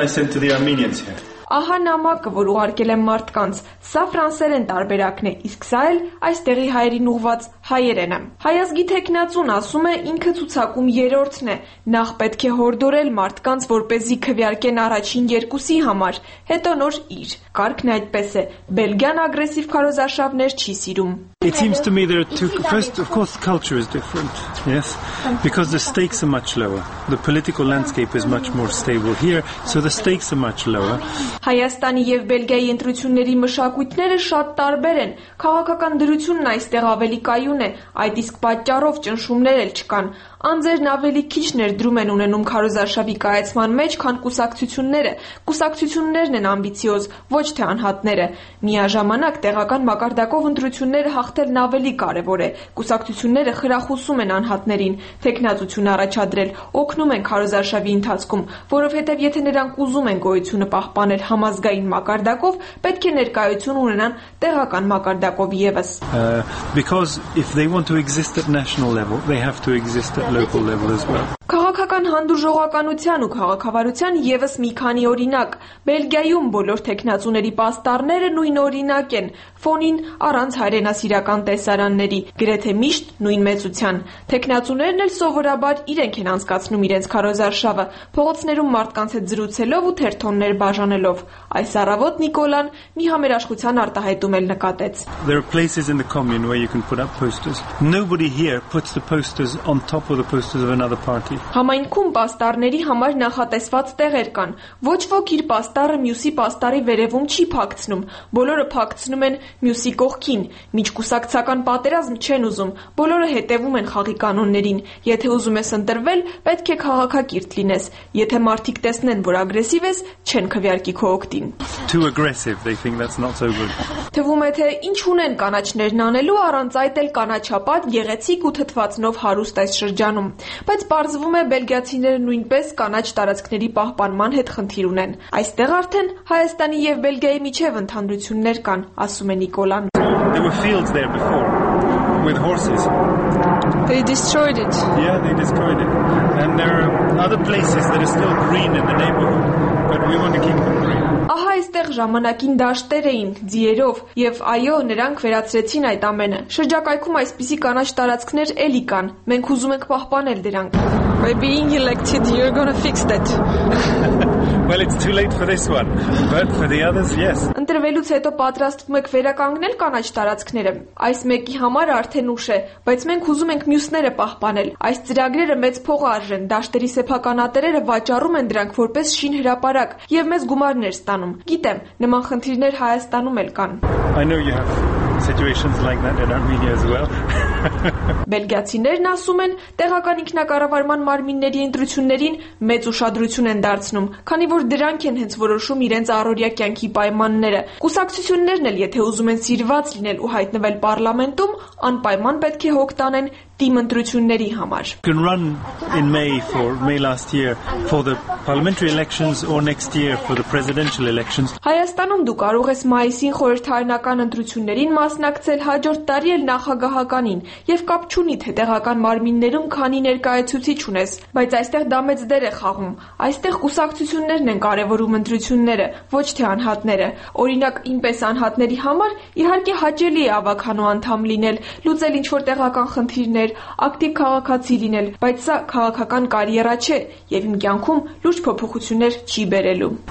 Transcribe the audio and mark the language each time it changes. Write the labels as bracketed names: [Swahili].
[Armenian] 100 հայերին։ Ահա նամակը, որ ուղարկել եմ մարդկանց, սա ֆրանսերեն տարբերակն է, իսկ սա էլ այստեղի հայերին ուղված հայերենը։ Հայազգի թեկնածուն ասում է, ինքը ցուցակում 3-րդն է, նախ պետք է հորդորել մարդկանց, որպեսզի քվյարկեն առաջին երկուսի համար, հետո նոր իր։ Կարգն այդպես է, Բելգիան ագրեսիվ քարոզարշավներ չի սիրում։ [English] It seems to me there are two, first of course culture is different, yes, because the stakes are much lower. The political landscape is much more stable here, so the stakes are much lower. [Armenian] Հայաստանի եւ Բելգիայի ընտրությունների մշակույթները շատ տարբեր են։ Քաղաքական դրությունն այստեղ ավելի կայուն է, այդ իսկ պատճառով ճնշումներ էլ չկան։ Անձերն ավելի քիչ ներդրում են ունենում քարոզարշավի կայացման մեջ, քան կուսակցությունները։ Կուսակցություններն են ամբիցիոզ, ոչ թե անհատները։ Միաժամանակ տեղական մակարդակով ընտրությունները հաղթելն ավելի կարևոր է։ Կուսակցությունները խրախուսում են անհատներին, թեկնածություն առաջադրել, օգնում են քարոզարշավի ընթացքում, որովհետև եթե նրանք ուզում են գոյությունը պահպանել համազգային մակարդակով, պետք է ներկայություն ունենան տեղական մակարդակով եւս։ [English] Because if they want to exist at national level, they have to exist at local level as well. [Armenian] Քաղաքական հանդուրժողականության ու քաղաքավարության եւս մի քանի օրինակ։ Բելգիայում բոլոր տեխնացուների պաստառները նույն օրինակ են, ֆոնին առանց հայրենասիրական տեսարանների, գրեթե միշտ նույն մեծության։ Տեխնացուներն էլ սովորաբար իրենք են անցկացնում իրենց քարոզարշավը, փողոցներում մարդկանց հետ զրուցելով ու թերթոններ բաժանելով։ Այս առավոտ Նիկոլան մի համերաշխության արտահայտում էլ նկատեց։ Համայնքում պաստառների համար նախատեսված տեղեր կան։ Ոչ ոք իր պաստառը մյուսի պաստառի վերևում չի փակցնում։ Բոլորը փակցնում են մյուսի կողքին։ Միջկուսակցական պատերազմ չեն ուզում։ Բոլորը հետևում են խաղի կանոններին։ Եթե ուզում ես ընտրվել, պետք է քաղաքակիրթ լինես։ Եթե մարդիկ տեսնեն, որ ագրեսիվ ես, չեն քվյարկի քո օգտին։ [English] Too aggressive, they think that's not so good. [Armenian] Թվում է, թե ինչ ունեն կանաչներն անելու առանց այդ էլ կանաչապատ գեղեցիկ ու թթվածնով հարուստ այս շրջանում։ Բայց պարզվում է, բելգիացիները նույնպես կանաչ տարածքների պահպանման հետ խնդիր ունեն։ Այստեղ արդեն Հայաստանի և Բելգիայի միջև ընդհանրություններ կան, ասում է Նիկոլան։ [English] There were fields there before with horses. They destroyed it. Yeah, they destroyed it. And there are other places that are still green in the neighborhood, but we want to keep them green. [Armenian] Ահա այստեղ ժամանակին դաշտեր էին, ձիերով, և այո, նրանք վերացրեցին այդ ամենը։ Շրջակայքում այսպիսի կանաչ տարածքներ էլի կան, մենք ուզում ենք պահպանել դրանք։ [English] By being elected, you're going to fix that. Well, it's too late for this one, but for the others, yes. [Armenian] Ընտրվելուց հետո պատրաստվում եք վերականգնել կանաչ տարածքները։ Այս մեկի համար արդեն ուշ է, բայց մենք ուզում ենք մյուսները պահպանել։ Այս ծրագրերը մեծ փող արժեն, դաշտերի սեփականատերերը վաճառում են դրանք որպես շին հրապարակ և մեզ գումարներ ստանում։ Գիտեմ, նման խնդիրներ Հայաստանում էլ կան։ [English] I know you have situations like that in Armenia as well. [Armenian] Բելգիացիներն ասում են, տեղական ինքնակառավարման մարմինների ընտրություններին մեծ ուշադրություն են դարձնում, քանի որ դրանք են հենց որոշում իրենց առօրյա կյանքի պայմանները։ Կուսակցություններն էլ, եթե ուզում են սիրված լինել ու հայտնվել պարլամենտում, անպայման պետք է հոգտանեն դիմ ընտրությունների համար։ [English] Can run in May for May last year for the parliamentary elections or next year for the presidential elections. [Armenian] Հայաստանում դու կարող ես մայիսին խորհրդարանական ընտրություններին մասնակցել, հաջորդ տարի էլ նախագահականին, և կապ չունի, թե տեղական մարմիններում քանի ներկայացուցիչ ունես, բայց այստեղ դա մեծ դեր է խաղում։ Այստեղ կուսակցություններն են կարևորում ընտրությունները, ոչ թե անհատները։ Օրինակ, ինպես անհատների համար իհարկե հաճելի է ավականու անդամ լինել, լուծել ինչ-որ տեղական խնդիրներ, ակտիվ քաղաքացի լինել, բայց սա քաղաքական կարիերա չէ, և իմ կյանքում լուրջ փոփոխություններ չի բերելու։